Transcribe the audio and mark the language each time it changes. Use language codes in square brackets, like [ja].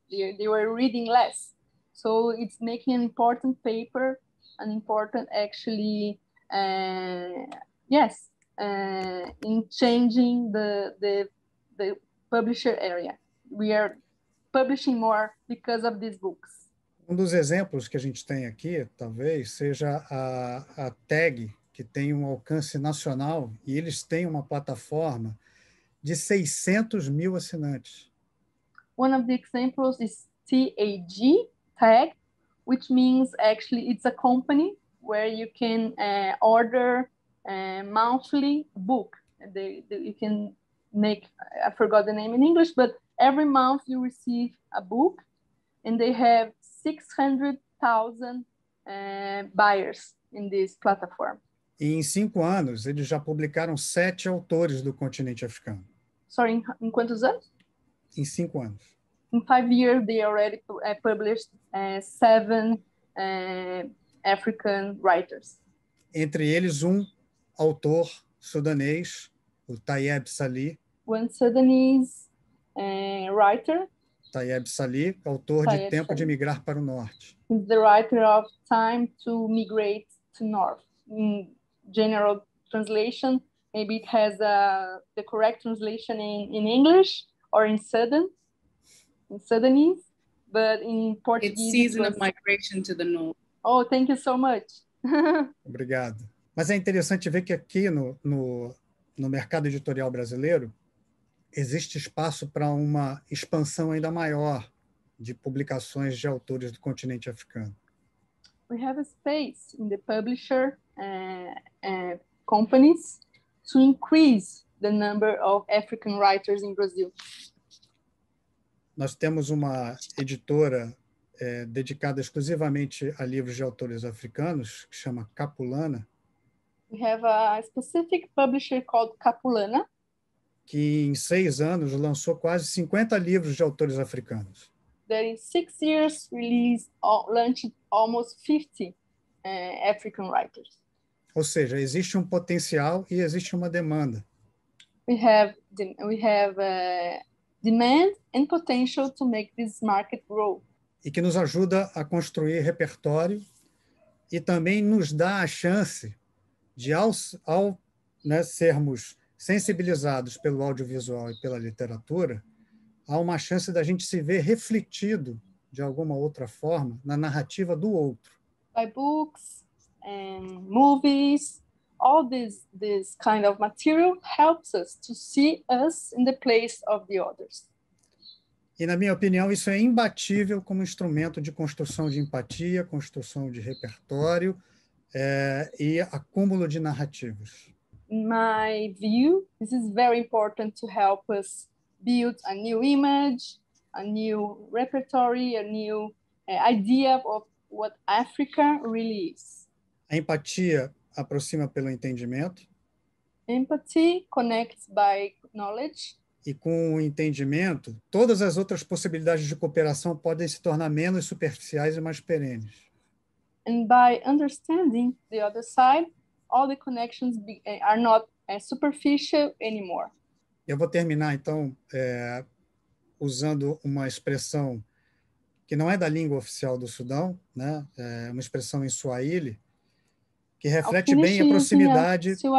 [en] They were reading less. So it's making an important paper, an important actually, in changing the publisher area. We are publishing more because of these books. [pt] Um dos exemplos que a gente tem aqui, talvez, seja a TAG, que tem um alcance nacional, e eles têm uma plataforma de 600 mil assinantes. [en] One of the examples is TAG, TAG, which means actually it's a company where you can order a monthly book. You can make, I forgot the name in English, but every month you receive a book, and they have 600,000 buyers in this platform. [pt] E em 5 anos, eles já publicaram 7 autores do continente africano. [en] Sorry, [pt] em quantos anos? Em 5 anos. [en] In 5 years, they already published 7 African writers. [pt] Entre eles, um autor sudanês, o Tayeb Salih. [en] One Sudanese writer. [pt] Tayeb Salih, autor Tayeb de Tempo Salih. De Migrar para o Norte. [en] He's the writer of Time to Migrate to North. In general translation, maybe it has the correct translation in English or in Sudanese, but in Portuguese. It's season of migration to the north. Oh, thank you so much. [pt] Obrigado. Mas é interessante ver que aqui no mercado editorial brasileiro existe espaço para uma expansão ainda maior de publicações de autores do continente africano. [en] We have a space in the publisher companies to increase the number of African writers in Brazil. [pt] Nós temos uma editora dedicada exclusivamente a livros de autores africanos, que chama Capulana. [en] We have a specific publisher called Capulana, [pt] que em 6 anos lançou quase 50 livros de autores africanos. [en] That in 6 years launched almost 50 African writers. [pt] Ou seja, existe um potencial e existe uma demanda. [en] We have a demand and potential to make this market grow. [pt] E que nos ajuda a construir repertório e também nos dá a chance de, ao sermos sensibilizados pelo audiovisual e pela literatura, há uma chance da gente se ver refletido de alguma outra forma na narrativa do outro. [en] By books and movies, all this kind of material helps us to see us in the place of the others. [pt] E na minha opinião, isso é imbatível como instrumento de construção de empatia, construção de repertório e acúmulo de narrativas. [en] In my view, this is very important to help us build a new image, a new repertory, a new idea of what Africa really is. [pt] A empatia aproxima pelo entendimento. [en] Empathy connects by knowledge. [pt] E com o entendimento, todas as outras possibilidades de cooperação podem se tornar menos superficiais e mais perenes. [en] And by understanding the other side, all the connections are not superficial anymore. [pt] Eu vou terminar, então, usando uma expressão que não é da língua oficial do Sudão, né? É uma expressão em Swahili, que reflete bem a proximidade...